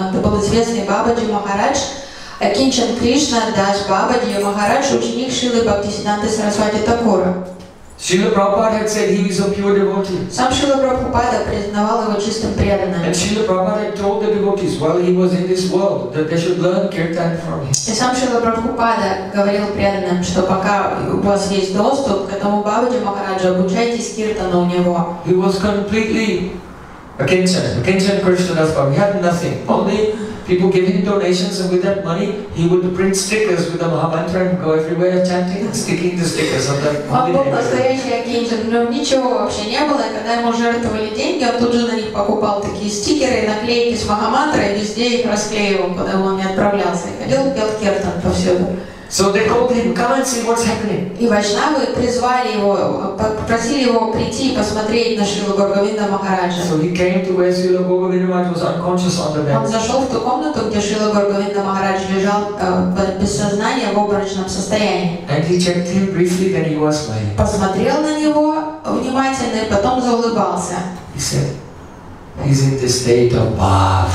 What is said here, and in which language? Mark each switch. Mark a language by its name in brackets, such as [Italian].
[Russian] Это был известный Бабаджи Махарадж, Акинчан Кришна Дас Бабаджи Махарадж, ученик Шрилы Бхактисиддханты Сарасвати Такура. [English] Srila Prabhupada had said he is a pure devotee. [Russian] Сам Шрила Прабхупада признавал его чистым преданным. [English] And Srila Prabhupada had told the devotees while he was in this world that they should learn kirtan from him. [Russian] И сам Шрила Прабхупада говорил преданным, что пока у вас есть доступ к этому Бабаджи Махараджу, обучайтесь киртану у него. [English] He was completely akinchan Krishna Das Babaji. He had nothing. Only people give him donations and with that money he would print stickers with the Mahamantra and go everywhere chanting and sticking the stickers on that So they called him, come and see what's happening. [Russian] И вайшнавы призвали его, попросили его прийти и посмотреть на Шрилу Гургавинда Махараджа. [English] So he came to where Srila Gurgavinda Maharaj was unconscious on the bed. [Russian] Он зашел в ту комнату, где Шрила Гургавинда Махарадж лежал без сознания в обморочном состоянии. [English] And he checked him briefly, then he was lying. [Russian] Посмотрел на него внимательно и потом заулыбался. [English] He said, he's in the state of bhava.